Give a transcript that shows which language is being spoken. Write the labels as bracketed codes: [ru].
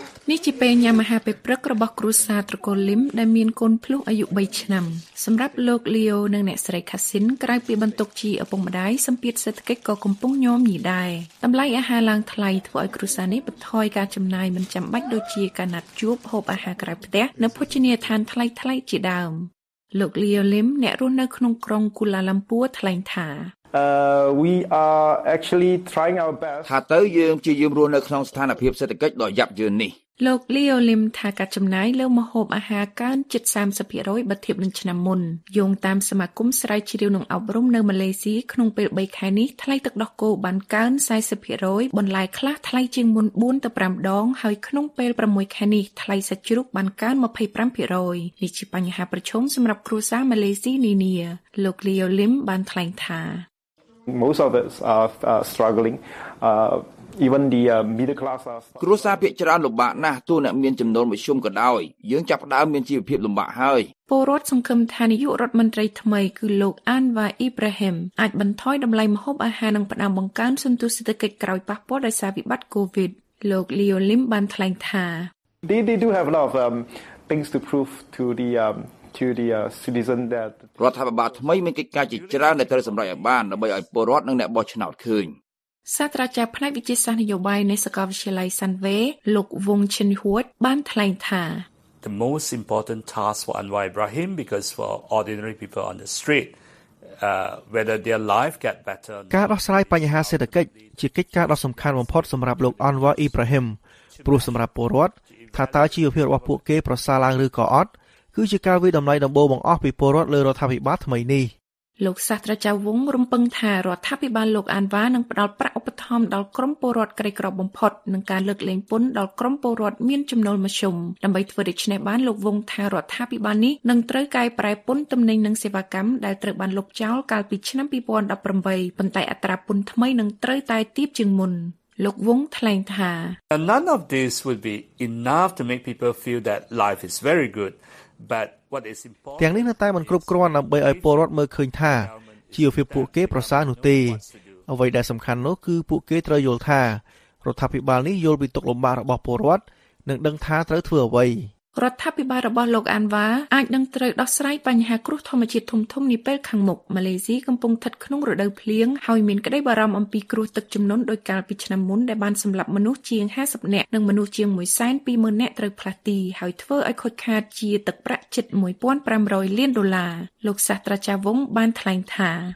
[km] នេះជាពេលញ៉ាំអាហារពេលព្រឹករបស់គ្រួសារត្រកូលលីមដែលមានកូនភ្លោះអាយុ3ឆ្នាំសម្រាប់លោកលីអូនិងអ្នកស្រីខាស៊ីនក្រៅពីបន្ទុកជាឪពុកម្ដាយសម្ពាធសេដ្ឋកិច្ចក៏កំពុងញោមញីដែរតម្លៃអាហារឡើងថ្លៃធ្វើឲ្យគ្រួសារនេះបន្ថយការចំណាយមិនចាំបាច់ដូចជាការណាត់ជួបហូបអាហារក្រៅផ្ទះនៅភោជនីយដ្ឋានថ្លៃៗជាដើមលោកលីអូលីមអ្នករស់នៅក្នុងក្រុងគូឡាឡាំពួរថ្លែងថា [en] We are actually trying our best [km] ថាទៅយើងជាយឺមរស់នៅក្នុងស្ថានភាពសេដ្ឋកិច្ចដ៏យ៉ាប់យ៉ឺននេះ លោកលីអូលីមថាការចំណាយលើម្ហូបអាហារកើនជិត 30% បើធៀបនឹងឆ្នាំមុនយោងតាមសមាគមស្រាវជ្រាវនិងអប់រំនៅម៉ាឡេស៊ីក្នុងពេល3ខែនេះថ្លៃទឹកដោះគោបានកើន 40% បន្លែខ្លះថ្លៃជាងមុន4ទៅ5ដងហើយក្នុងពេល6ខែនេះថ្លៃសាច់ជ្រូកបានកើន 25% នេះជាបញ្ហាប្រឈមសម្រាប់គ្រួសារម៉ាឡេស៊ីនានាលោកលីអូលីមបានថ្លែងថា [en] Most of us are struggling even the middle class [km] គ្រួសារភាគច្រើនលំបាកណាស់ទោះអ្នកមានចំណូលមធ្យមក៏ដោយយើងចាប់ផ្ដើមមានជីវភាពលំបាកហើយ ពលរដ្ឋសង្ឃឹមថានាយករដ្ឋមន្ត្រីថ្មីគឺលោកអានវ៉ាអ៊ីប្រាហ៊ីមអាចបន្ថយតម្លៃម្ហូបអាហារនិងផ្ដើមបង្កើនសន្ទុះសេដ្ឋកិច្ចក្រោយប៉ះពាល់ដោយសារវិបត្តិ COVID លោកលីអូលីមបានថ្លែងថា [en] They do have a lot of things to prove to the citizen that [km] រដ្ឋាភិបាលថ្មីមានកិច្ចការជាច្រើនដែលត្រូវសម្រេចឲ្យបានដើម្បីឲ្យពលរដ្ឋនិងអ្នកបោះឆ្នោតឃើញ សាស្ត្រាចារ្យផ្នែកវិទ្យាសាស្ត្រនយោបាយនៃសាកលវិទ្យាល័យ Sanwei លោក Wong Chin Huat បានថ្លែងថា [en] The most important task for Anwar Ibrahim because for ordinary people on the street whether their life get better [km] ការដោះស្រាយបញ្ហាសេដ្ឋកិច្ចជាកិច្ចការដ៏សំខាន់បំផុតសម្រាប់លោក Anwar Ibrahim ព្រោះសម្រាប់ពលរដ្ឋថាតើជីវភាពរបស់ពួកគេប្រសើរឡើងឬក៏អត់គឺជាការវិដំណ័យដំបូងបង្អស់ពីពលរដ្ឋលើរដ្ឋាភិបាលថ្មីនេះ លោកសាស្ត្រាចារ្យវងរំពឹងថារដ្ឋាភិបាលលោកអានវ៉ានឹងផ្តល់ប្រាក់ឧបត្ថម្ភដល់ក្រុមពលរដ្ឋក្រីក្របំផុតនឹងការលើកលែងពន្ធដល់ក្រុមពលរដ្ឋមានចំណូលមធ្យមដើម្បីធ្វើដូច្នេះបានលោកវងថារដ្ឋាភិបាលនេះនឹងត្រូវកែប្រែពន្ធទំនិញនិងសេវាកម្មដែលត្រូវបានលុបចោលកាលពីឆ្នាំ2018ប៉ុន្តែអត្រាពន្ធថ្មីនឹងត្រូវតែទាបជាងមុនលោកវងថ្លែងថា [en] None of this would be enough to make people feel that life is very good. But what is important [km] ទាំងនេះនៅតែមិនគ្រប់គ្រាន់ដើម្បីឲ្យពលរដ្ឋមើលឃើញថាជីវភាពពួកគេប្រសើរនោះទេអ្វីដែលសំខាន់នោះគឺពួកគេត្រូវយល់ថារដ្ឋាភិបាលនេះយល់ពីទុក្ខលំបាករបស់ពលរដ្ឋនិងដឹងថាត្រូវធ្វើអ្វី រដ្ឋាភិបាលរបស់លោកអានវ៉ាអាចនឹងត្រូវដោះស្រាយបញ្ហាគ្រោះធម្មជាតិធំៗនេះពេលខាងមុខម៉ាឡេស៊ីកំពុងស្ថិតក្នុងរដូវភ្លៀងហើយមានក្តីបារម្ភអំពីគ្រោះទឹកជំនន់ដោយកាលពីឆ្នាំមុនដែលបានសម្លាប់មនុស្សជាង50នាក់និងមនុស្សជាង 120,000 នាក់ត្រូវផ្លាស់ទីហើយធ្វើឲ្យខូចខាតជាទឹកប្រាក់ជិត 1,500 លានដុល្លារលោកសាស្ត្រាចារ្យវងបានថ្លែងថា